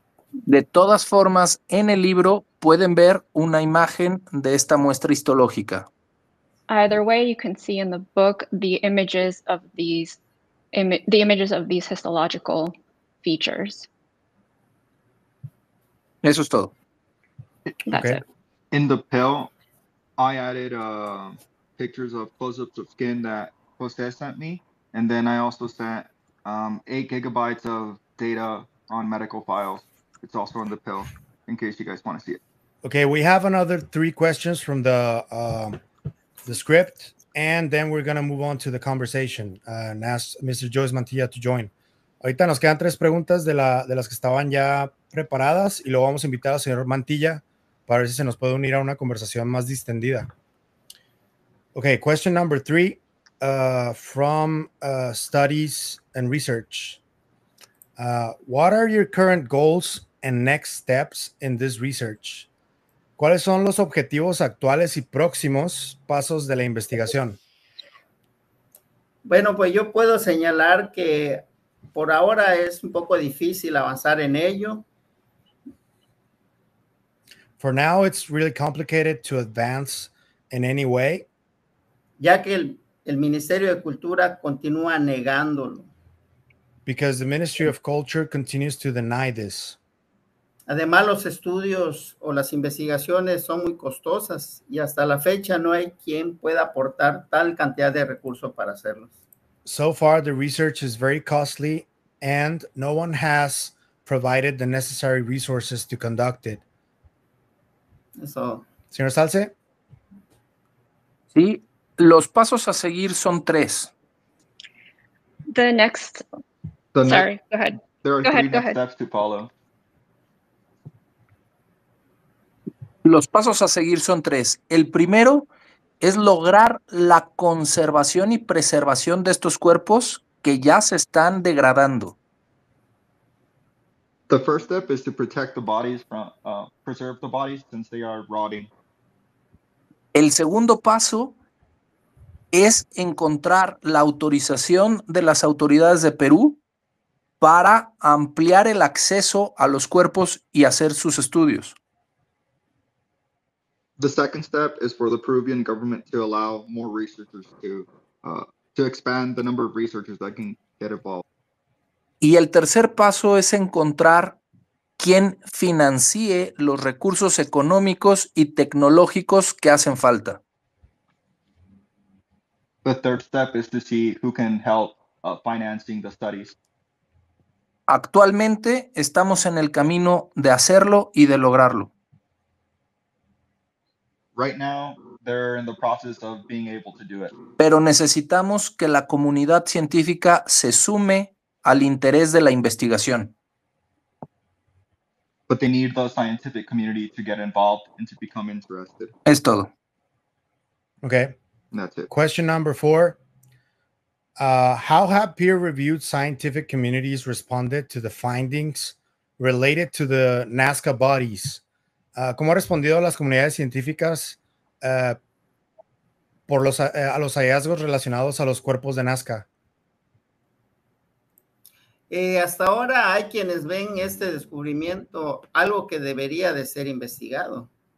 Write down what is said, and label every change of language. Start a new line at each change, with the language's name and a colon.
Spanish: De todas formas, en el libro pueden ver una imagen de esta muestra histológica.
English: Either way, you can see in the book the images of these the images of these histological features.
Spanish: Eso es todo.
English: That's okay. It. In the pill, I added pictures of close-ups of skin that Jose sent me, and then I also sent 8 gigabytes of data on medical files. It's also in the pill, in case you guys want to see it. Okay, we have another 3 questions from the script. And then we're going to move on to the conversation and ask Mr. Joyce Mantilla to join.
Spanish: Ahorita nos quedan 3 preguntas de las que estaban ya preparadas y luego vamos a invitar al señor Mantilla para ver si se nos puede unir a una conversación más distendida.
English: Okay, question number 3 from studies and research. What are your current goals and next steps in this research?
Spanish: ¿Cuáles son los objetivos actuales y próximos pasos de la investigación? Bueno, pues yo puedo señalar que por ahora es un poco difícil avanzar en ello.
English: For now, it's really complicated to advance in any way.
Spanish: Ya que el Ministerio de Cultura continúa negándolo.
English: Because the Ministry of Culture continues to deny this.
Spanish: Además, los estudios o las investigaciones son muy costosas y hasta la fecha no hay quien pueda aportar tal cantidad de recursos para hacerlos.
English: So far, the research is very costly and no one has provided the necessary resources to conduct it.
Spanish: Eso. Señor Salce. Sí, los pasos a seguir son 3.
English: There are three steps to follow.
Spanish: Los pasos a seguir son 3. El primero es lograr la conservación y preservación de estos cuerpos que ya se están degradando.
English: The first step is to protect the bodies from preserve the bodies since they are rotting.
Spanish: El segundo paso es encontrar la autorización de las autoridades de Perú para ampliar el acceso a los cuerpos y hacer sus estudios.
English: The second step is for the Peruvian government to allow more researchers to expand the number of researchers that can get involved.
Spanish: Y el tercer paso es encontrar quién financie los recursos económicos y tecnológicos que hacen falta.
English: The third step is to see who can help financing the studies.
Spanish: Actualmente estamos en el camino de hacerlo y de lograrlo.
English: Right now, they're in the process of being able to do it.
Spanish: Pero necesitamos que la comunidad científica se sume al interés de la investigación.
English: But they need the scientific community to get involved and to become interested.
Spanish: Es todo.
English: Okay. That's it. Question number 4. How have peer-reviewed scientific communities responded to the findings related to the Nazca bodies?
Spanish: ¿Cómo ha respondido a las comunidades científicas a los hallazgos relacionados a los cuerpos de Nazca? Hasta ahora hay quienes ven este descubrimiento algo que debería de ser investigado.